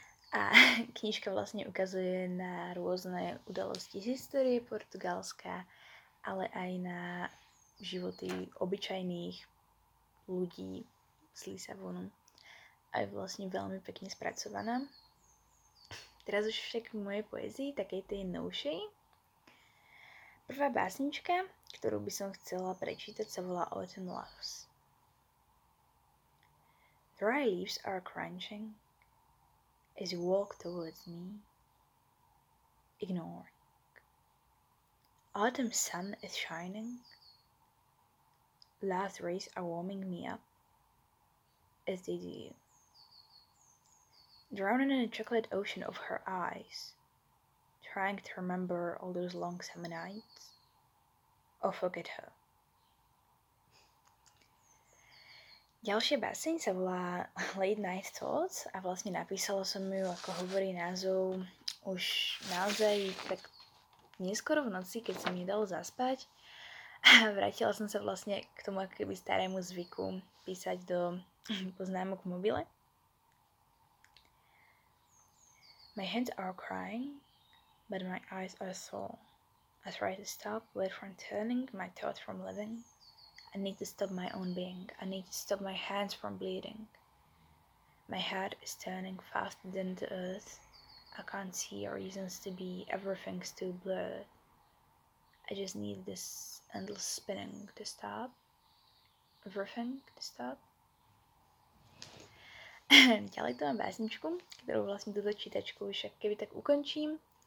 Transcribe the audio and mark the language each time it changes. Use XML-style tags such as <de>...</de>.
<sk>A knižka vlastne ukazuje na rôzne udalosti z histórie Portugalska, ale aj na životy obyčajných ľudí z Lisabonu. A je vlastne veľmi pekne spracovaná. Teraz už však v mojej poezii, takej tej novšej. Prvá básnička, ktorú by som chcela prečítať, sa volá Autumn Loves.</sk> <en>Dry leaves are crunching as you walk towards me, ignoring. Autumn sun is shining, last rays are warming me up, as they do you. Drowning in a chocolate ocean of her eyes, trying to remember all those long summer nights, or forget her.</en> <sk>Ďalšia báseň sa volá Late Night Thoughts a vlastne napísala som ju, ako hovorí názov, už naozaj tak neskoro v noci, keď som nedala zaspať. A vrátila som sa vlastne k tomu akoby starému zvyku písať do poznámok v mobile.</sk> <en>My hands are crying, but my eyes are sore. I try to stop, wait from turning, my thoughts from living. I need to stop my own being. I need to stop my hands from bleeding. My head is turning faster than the earth. I can't see reasons to be. Everything's too blurred. I just need this endless spinning to stop. Everything to stop.</en> <sk>Ďalej to mám básničku, ktorú vlastne túto čítačku už keby tak ukončím.</sk>